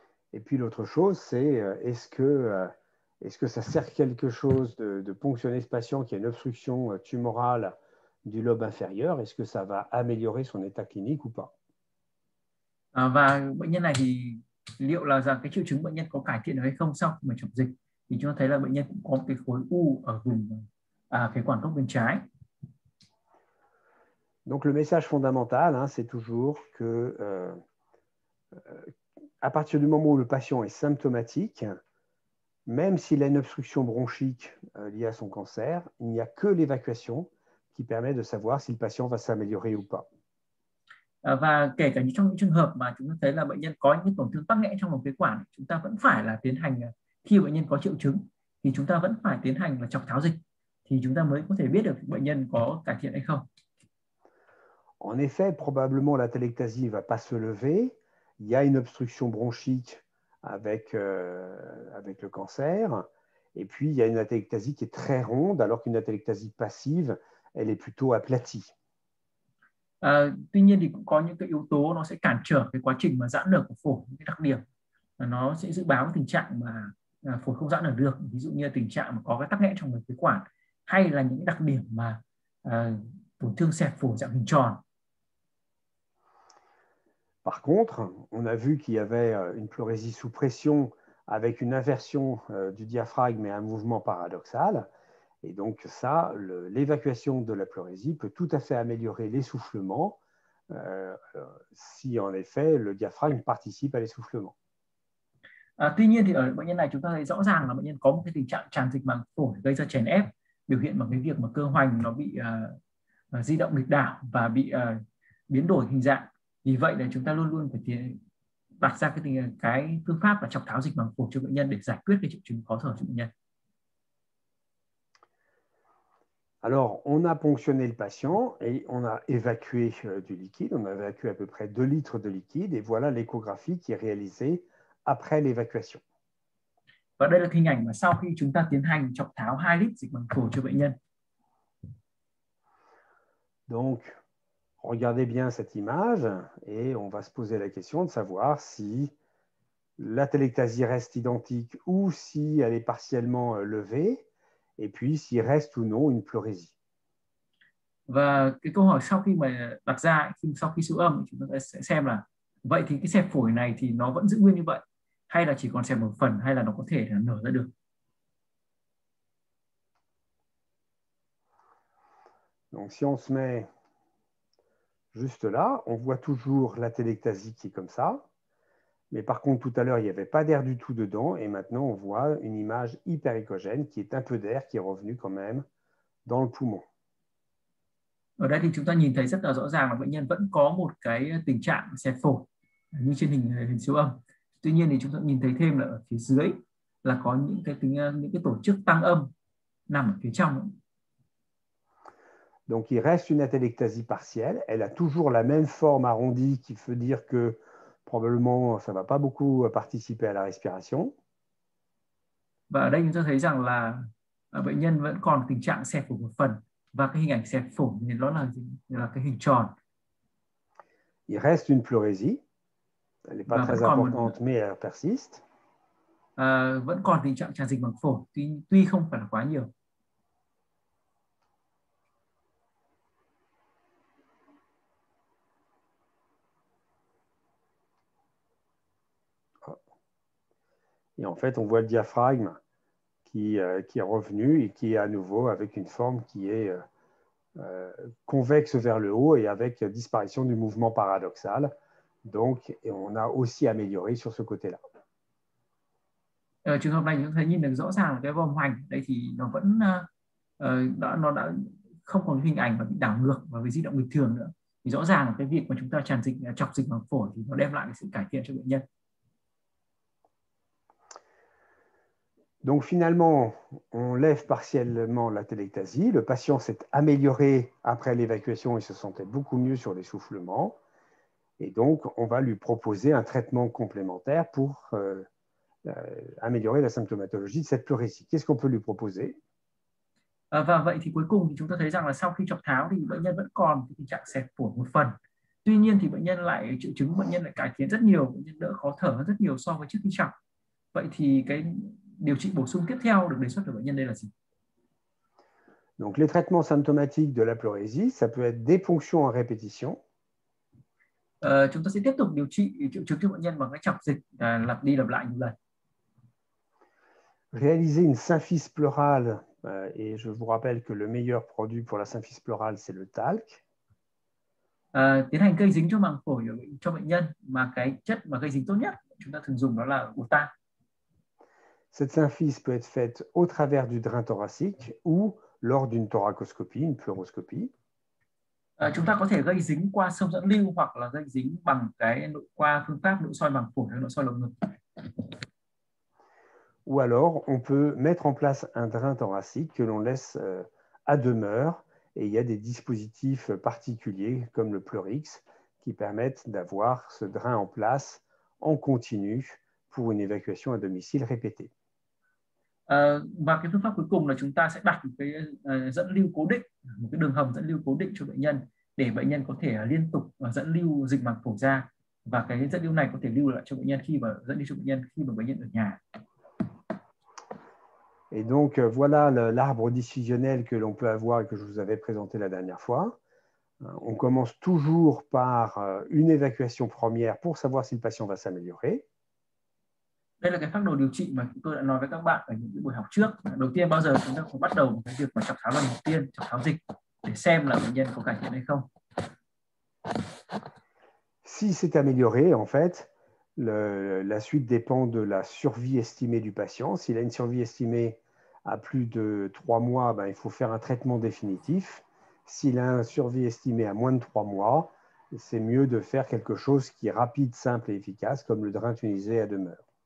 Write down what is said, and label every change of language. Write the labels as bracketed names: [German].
[French] Et puis l'autre chose, c'est est-ce que ça sert quelque chose de ponctionner ce patient qui a une obstruction tumorale du lobe inférieur? Est-ce que ça va améliorer son état clinique ou pas? [Vietnamese] Và bệnh nhân này thì liệu là rằng cái triệu chứng bệnh nhân có cải thiện được hay không sau khi mà chọc dịch thì chúng ta thấy là bệnh nhân cũng có một cái khối u ở vùng phế quản gốc bên trái. [French] Donc le message fondamental, hein, c'est toujours que à partir du moment où le patient est symptomatique, même s'il a une obstruction bronchique liée à son cancer, il n'y a que l'évacuation qui permet de savoir si le patient va s'améliorer ou pas. [Vietnamese] Và kể cả trong những trường hợp mà chúng ta thấy là bệnh nhân có những tổn thương tắc nghẽn trong lồng phế quản, chúng ta vẫn phải là tiến hành, khi bệnh nhân có triệu chứng thì chúng ta vẫn phải tiến hành là chọc tháo dịch thì chúng ta mới có thể biết được bệnh nhân có cải thiện hay không. [French] En effet, probablement l'atélectasie ne va pas se lever. Il y a une obstruction bronchique avec le cancer. Et puis, il y a une atélectasie qui est très ronde, alors qu'une atélectasie passive, elle est plutôt aplatie. [Vietnamese] Tuy nhiên thì cũng có những cái yếu tố nó sẽ cản trở cái quá trình mà giãn nở của phổi, những cái đặc điểm nó sẽ dự báo cái tình trạng mà phổi không giãn nở được, ví dụ như là tình trạng mà có cái tắc nghẽn trong cái phế quản hay là những cái đặc điểm mà tổn thương xẹp phổi dạng hình tròn. [French] Par contre, on a vu qu'il y avait une pleurésie sous pression avec une inversion du diaphragme et un mouvement paradoxal. Et donc ça, l'évacuation de la pleurésie peut tout à fait améliorer l'essoufflement si en effet le diaphragme participe à l'essoufflement. [Vietnamese] Tuy nhiên thì ở bệnh nhân này chúng ta thấy rõ ràng là bệnh nhân có một cái tình trạng tràn dịch màng phổi gây ra chèn ép, biểu hiện bằng cái việc mà cơ hoành nó bị di động lệch đảo và bị biến đổi hình dạng. Vì vậy là chúng ta luôn luôn phải đặt ra cái phương pháp là chọc tháo dịch màng phổi cho bệnh nhân để giải quyết cái triệu chứng khó thở cho bệnh nhân. [French] Alors, on a ponctionné le patient et on a évacué du liquide. On a évacué à peu près 2 litres de liquide et voilà l'échographie qui est réalisée après l'évacuation. [Vietnamese] Và đây là hình ảnh mà sau khi chúng ta tiến hành chọc tháo 2 lít dịch màng phổi cho bệnh nhân. [French] Donc, regardez bien cette image et on va se poser la question de savoir si l'atélectasie reste identique ou si elle est partiellement levée. Et puis, s'il reste ou non une pleurésie. [Vietnamese] Và cái câu hỏi sau khi mà đặt ra sau khi siêu âm chúng ta sẽ xem là vậy thì cái xẹp phổi này thì nó vẫn giữ nguyên như vậy hay là chỉ còn xem một phần hay là nó có thể là nở ra được. [French] Donc, si on se met juste là, on voit toujours l'atélectasie qui est comme ça. Mais par contre, tout à l'heure, il n'y avait pas d'air du tout dedans. Et maintenant, on voit une image hyper-échogène qui est un peu d'air qui est revenu quand même dans le poumon. [Vietnamese] Ở đây thì chúng ta nhìn thấy rất là rõ ràng là bệnh nhân vẫn có một cái tình trạng xẹp phổi như trên hình siêu âm. Tuy nhiên thì chúng ta nhìn thấy thêm là ở phía dưới là có những cái tổ chức tăng âm nằm ở phía trong. [French] Donc, il reste une atélectasie partielle. Elle a toujours la même forme arrondie qui veut dire que. Probablement, ça ne va pas beaucoup participer à la respiration. [Vietnamese] Và ở đây chúng ta thấy rằng là bệnh nhân vẫn còn tình trạng xẹp phổi một phần và cái hình ảnh xẹp phổi thì nó là cái hình tròn. [French] Il reste une pleurésie. Elle n'est pas [Vietnamese] và [French] très [Vietnamese] vẫn còn một [French] importante, mais elle persiste. [Vietnamese] vẫn còn tình trạng tràn dịch màng phổi tuy tuy không phải là quá nhiều. [French] Et en fait, on voit le diaphragme qui est revenu et qui est à nouveau avec une forme qui est convexe vers le haut et avec disparition du mouvement paradoxal. Donc, et on a aussi amélioré sur ce côté-là. [Vietnamese] Ở trường hợp này chúng ta nhìn được rõ ràng là cái vòm hoành đấy thì nó vẫn nó đã không còn hình ảnh mà bị đảo ngược và bị di động bình thường nữa, thì rõ ràng là cái việc mà chúng ta tràn dịch chọc dịch màng phổi thì nó đem lại cái sự cải thiện cho bệnh nhân. [French] Donc finalement, on lève partiellement l'atélectasie. Le patient s'est amélioré après l'évacuation et se sentait beaucoup mieux sur l'essoufflement. Et donc, on va lui proposer un traitement complémentaire pour améliorer la symptomatologie de cette pleurésie. Qu'est-ce qu'on peut lui proposer? [Vietnamese] Và vậy thì cuối cùng thì chúng ta thấy rằng là sau khi chọc tháo thì bệnh nhân vẫn còn tình trạng xẹp phổi một phần. Tuy nhiên thì bệnh nhân lại triệu chứng bệnh nhân lại cải thiện rất nhiều, bệnh nhân đỡ khó thở hơn rất nhiều so với trước khi chọc. Vậy thì cái điều trị bổ sung tiếp theo được đề xuất của bệnh nhân đây là gì? [French] Donc, les traitements symptomatiques de la pleurésie, ça peut être des ponctions à répétition. [Vietnamese] Chúng ta sẽ tiếp tục điều trị triệu chứng cho bệnh nhân bằng cái chọc dịch lặp đi lặp lại nhiều lần. [French] Réaliser une symphyse pleurale, et je vous rappelle que le meilleur produit pour la symphyse pleurale, c'est le talc. [Vietnamese] Tiến hành gây dính cho màng phổi cho bệnh nhân mà cái chất mà gây dính tốt nhất chúng ta thường dùng đó là uta. [French] Cette symphyse peut être faite au travers du drain thoracique ou lors d'une thoracoscopie, une pleuroscopie. [Vietnamese] Chúng ta có thể gây dính qua sông dẫn lưu hoặc là gây dính bằng cái nội qua phương pháp nội soi màng phổi hay nội soi lồng ngực. [French] Ou alors, on peut mettre en place un drain thoracique que l'on laisse à demeure, et il y a des dispositifs particuliers comme le Pleurix qui permettent d'avoir ce drain en place en continu pour une évacuation à domicile répétée. [Vietnamese] Và cái phương pháp cuối cùng là chúng ta sẽ đặt một cái dẫn lưu cố định, một cái đường hầm dẫn lưu cố định cho bệnh nhân để bệnh nhân có thể liên tục dẫn lưu dịch màng phổi ra, và cái dẫn lưu này có thể lưu lại cho bệnh nhân khi mà dẫn lưu cho bệnh nhân khi mà bệnh nhân ở nhà. [French] Et donc voilà l'arbre décisionnel que l'on peut avoir et que je vous avais présenté la dernière fois. On commence toujours par une évacuation première pour savoir si le patient va s'améliorer. [Vietnamese] Đây là cái phác đồ điều trị mà tôi đã nói với các bạn ở những buổi học trước. Đầu tiên bao giờ chúng ta cũng bắt đầu một cái việc mà chọc tháo lần đầu tiên, chọc tháo dịch để xem là bệnh nhân có cải thiện hay không. [French] Si c'est amélioré, en fait, la suite dépend de la survie estimée du patient. S'il a une survie estimée à plus de 3 mois, ben, il faut faire un traitement définitif. S'il a une survie estimée à moins de 3 mois, c'est mieux de faire quelque chose qui est rapide, simple et efficace, comme le drain tunisé à demeure.